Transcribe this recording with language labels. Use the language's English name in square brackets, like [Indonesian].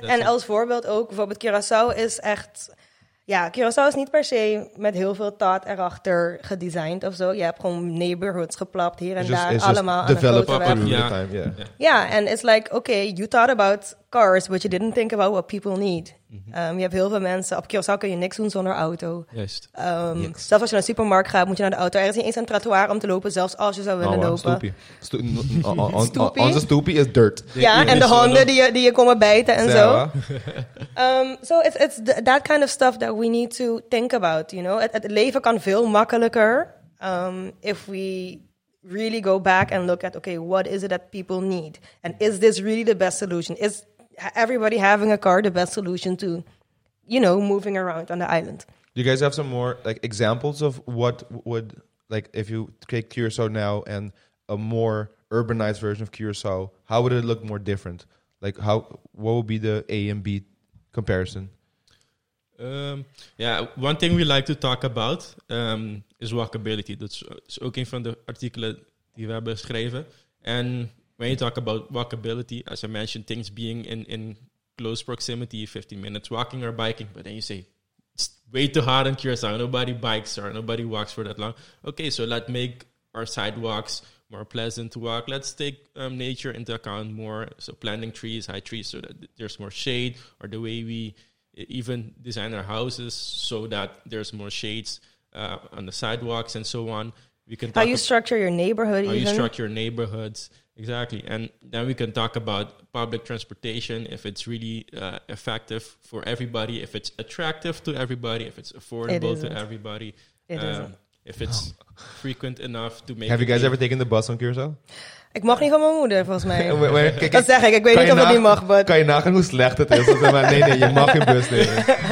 [Dutch] En als voorbeeld ook, bijvoorbeeld Curaçao is echt... Ja, Curaçao is niet per se met heel veel thought erachter gedesigned of zo. Je hebt gewoon neighborhoods geplapt hier en daar. Allemaal aan een grote weg. Ja, [English] and it's like, okay, you thought about cars, but you didn't think about what people need. [Dutch] Mm-hmm. Je hebt heel veel mensen. Op Curaçao kun je niks doen zonder auto. Juist. [English] Yes. [Dutch] Zelfs als je naar de supermarkt gaat, moet je naar de auto. Er is niet eens een trottoir om te lopen, zelfs als je zou willen lopen. Stoepie. Onze stoepie is dirt. Ja, en de honden die je komen bijten en zo. [English] So it's that kind of stuff that we need to think about, you know. [Dutch] Het leven kan veel makkelijker [English] if we really go back and look at, okay, what is it that people need? And is this really the best solution? Is everybody having a car the best solution to, you know, moving around on the island? Do you guys have some more like examples of what would, like, if you take Curaçao now and a more urbanized version of Curaçao, how would it look more different? Like, what would be the A and B comparison? One thing we like to talk about is walkability. [Dutch] That's ook een van de artikelen die we hebben geschreven. [English] And when you talk about walkability, as I mentioned, things being in close proximity, 15 minutes walking or biking, but then you say, it's way too hot in Curaçao, nobody bikes or nobody walks for that long. Okay, so let's make our sidewalks more pleasant to walk. Let's take nature into account more. So planting trees, high trees, so that there's more shade, or the way we even design our houses so that there's more shades on the sidewalks and so on. We can how you structure your neighborhood. How even. You structure your neighborhoods. Exactly. And then we can talk about public transportation, if it's really effective for everybody, if it's attractive to everybody, if it's affordable to everybody. If it's frequent enough to make... Have you guys ever taken the bus on Curaçao? [Dutch] Ik mag niet van mijn moeder, volgens mij. Dat zeg ik. Ik weet niet of het niet mag, but... Kan je nagaan hoe slecht het is? Nee, je mag geen bus nemen.